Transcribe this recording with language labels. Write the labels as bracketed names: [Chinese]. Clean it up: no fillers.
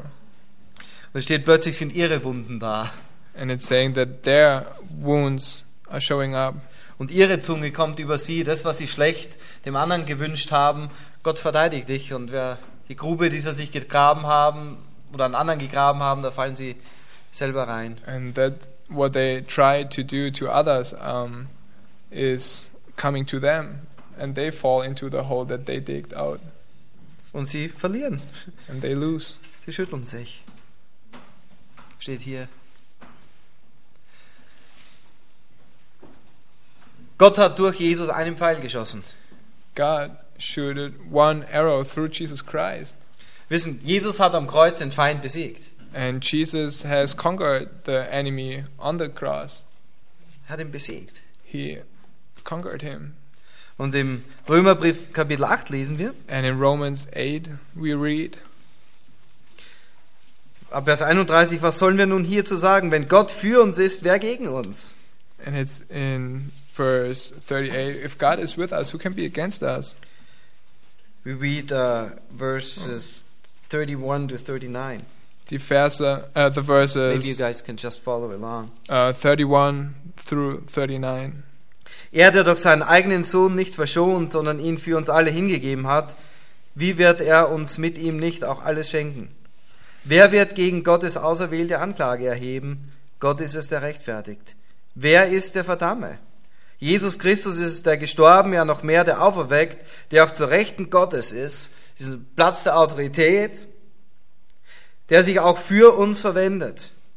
[German] Und es steht, plötzlich sind ihre Wunden da. [English] And it's saying that their wounds are showing up. [German] Und ihre Zunge kommt über sie, das, was sie schlecht dem anderen gewünscht haben. Gott verteidigt dich. Und wer die Grube, die sie sich gegraben haben, oder an anderen gegraben haben, da fallen sie selber rein. [English] And that what they try to do to others is coming to them. And they fall into the hole that they digged out. [German] Und sie verlieren. [English] And they lose. [German] Sie schütteln sich. Steht hier. Gott hat durch Jesus einen Pfeil geschossen. [English] God shooted one arrow through Jesus Christ. [German] Wissen, Jesus hat am Kreuz den Feind besiegt. [English] And Jesus has conquered the enemy on the cross. [German] Hat ihn besiegt. [English] He conquered him. [German] Und im Römerbrief Kapitel 8 lesen wir. [English] And in Romans 8 we read. [German] Ab Vers 31, was sollen wir nun hierzu sagen? Wenn Gott für uns ist, wer gegen uns? [English] And it's in verse 38, if God is with us, who can be against us? We read verses 31 to 39. The verses. Maybe you guys can just follow along. 31 through 39. [German] Er, der doch seinen eigenen Sohn nicht verschont, sondern ihn für uns alle hingegeben hat, wie wird er uns mit ihm nicht auch alles schenken? Wer wird gegen Gottes Auserwählte Anklage erheben? Gott ist es, der rechtfertigt. Wer ist der Verdamme? Jesus Christus ist der gestorben, ja noch mehr, der auferweckt, der auch zur Rechten Gottes ist, diesen Platz der Autorität, der sich auch für uns verwendet.